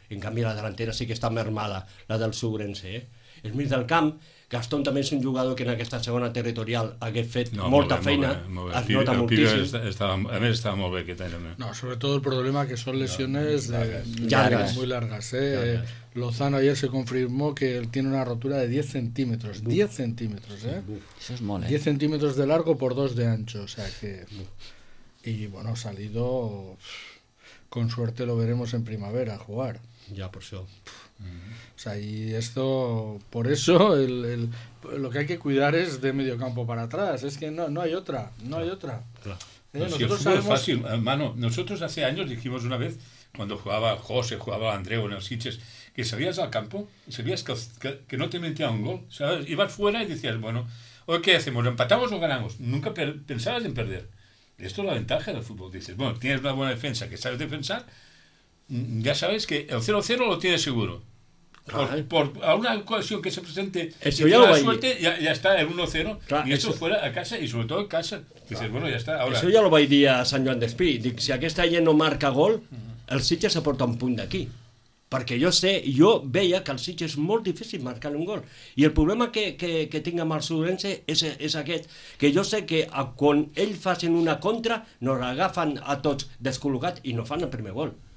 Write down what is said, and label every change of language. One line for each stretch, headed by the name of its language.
Catalan: En canvi, la delantera sí que està mermada, la del Sobrense, eh? El mig del camp, Gaston també és un jugador que en aquesta segona territorial hagués fet molta feina, es nota moltíssim. A més, estava molt bé aquest any. No, sobretot el problema que són lesiones llargues, molt llargues.
Spanish: Lozano ayer se confirmó que él tiene una rotura de 10 centímetros. 10 centímetros, ¿eh? Eso es mole. 10 centímetros de largo por 2 de ancho. O sea que... Y bueno, Salido... Con suerte lo veremos en primavera jugar. Ya, por eso... O sea, y esto, por eso, lo que hay que cuidar es de medio campo para atrás. Es que no hay otra, no hay otra. Claro. Si el fútbol sabemos... es fácil, hermano. Nosotros hace años dijimos una vez, cuando jugaba José, jugaba Andreu en el Sitges, que salías al campo y sabías que no te metía un gol. ¿Sabes? Ibas fuera y decías, bueno, ¿hoy qué hacemos? ¿Empatamos o ganamos? Nunca pensabas en perder. Esto es la ventaja del fútbol. Dices, bueno, tienes una buena defensa que sabes defensar, ya sabes que el 0-0 lo tienes seguro. Por alguna ocasión que se presente, eso ya, la suerte, ya está el 1-0, claro, y eso fuera a casa, y sobre todo a casa. Dices, bueno, ya está. Ahora. Eso ya lo va a ir a Sant Joan d'Espí.
Catalan: Dic, si aquesta gent no marca gol, el Sitges se porta un punt d'aquí. Perquè jo veia que el Sitges és molt difícil marcar un gol. I el problema que tinc amb el Sudense és aquest, que jo sé que quan ells facin una contra, nos agafen a tots descol·locats i no fan el primer gol.